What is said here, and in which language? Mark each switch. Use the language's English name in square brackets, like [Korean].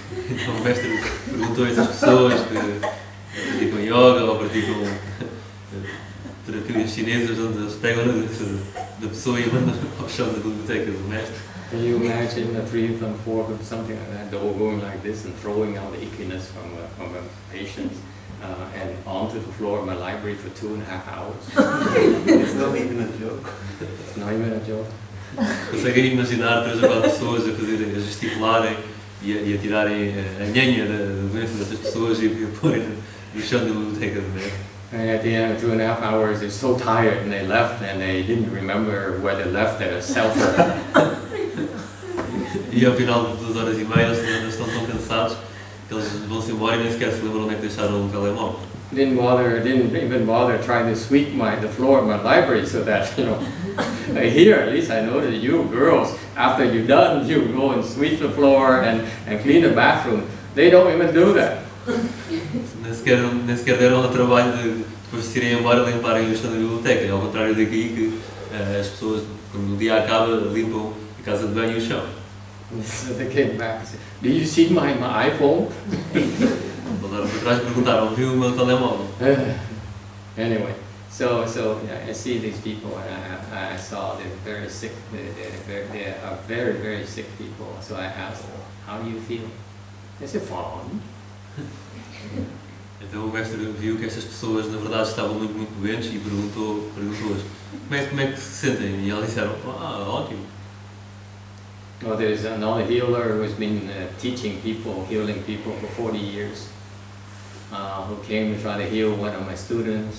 [Portuguese] Então o mestre perguntou a essas pessoas que praticam yoga ou praticam terapias chinesas onde eles pegam da pessoa e mandam ao chão da biblioteca do mestre. [English] Can you imagine a 3-4 or something like that, all going like this and throwing out the ickiness from a patient and onto the floor of my library for 2.5 hours? It's not even a joke. It's not even a joke. [Portuguese] Conseguem imaginar 3-4 pessoas a gesticularem e a tirarem a nhanha da doença dessas pessoas e a pôrem no chão da biblioteca do mestre? [English] And at the end of 2.5 hours, they're so tired and they left and they didn't remember where they left their cell phone. [Portuguese] E ao final de 2 horas e meia, eles ainda estão tão cansados que eles vão-se embora e nem sequer se lembram onde é que deixaram o telemóvel. [English] Didn't even bother trying to sweep the floor of my library so that, you know, here at least I know that you girls, after you're done, you go and sweep the floor and clean the bathroom. They don't even do that. [Portuguese] Nem sequer deram o trabalho de depois de se irem embora limparem o chão da biblioteca. Ao contrário daqui, que as pessoas, quando o dia acaba, limpam a casa de banho e o chão. [English] So they came back and said, "Do you see my iPhone?" [Portuguese] Voltaram para trás e perguntaram, "Viu o meu telemóvel?" [English] Anyway, so yeah, I see these people and I saw they're very sick. They are very, very sick people. So I asked, "How do you feel?" They said, "Fine." [Portuguese] Então o mestre viu que essas pessoas na verdade estavam muito, muito doentes e perguntou-as, como é que se sentem? E elas disseram, ótimo. [English] Well, there's another healer who's been teaching people, healing people for 40 years, who came to try to heal one of my students.